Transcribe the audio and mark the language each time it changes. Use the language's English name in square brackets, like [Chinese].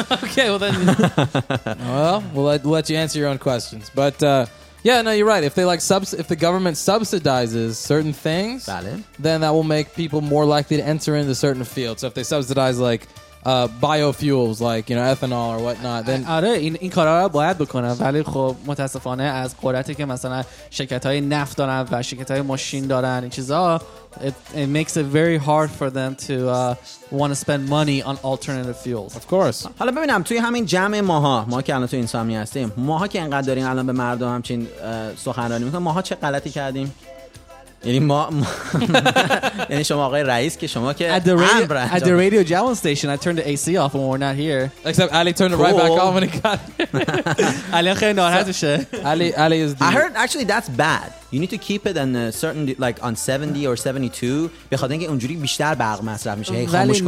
[English] Okay, well then. we'll let you answer your own questions. But yeah, no, you're right. If they like if the government subsidizes certain things, then that will make people more likely to enter into certain fields. So if they subsidize like biofuels like you know ethanol or whatnot, then [Persian] آره این کارا رو باید بکنه. ولی خب متاسفانه از قدرتی که مثلا شرکت های نفت دارن و شرکت های ماشین دارن این چیزا [English] it makes it very hard for them to want to spend money on alternative fuels. Of course. [Persian] حالا ببینم توی همین جمع ماها که الان تو این سامی هستیم، ماها که انقدر داریم الان به مردم همچین سخنرانی میکنیم، ماها چه غلطی کردیم؟ یعنی ما یعنی شما آقای رئیس که شما که [English] at the radio Jawan station I turned the AC off when we're not here except Ali turned it right back on when he got [Persian] Ali خیلی ناراحت شد. [English] Ali is the I heard actually that's bad. You need to keep it on a certain like on 70 or 72 [Persian] بخاطر اینکه اونجوری بیشتر برق مصرف میشه. خاموش کن.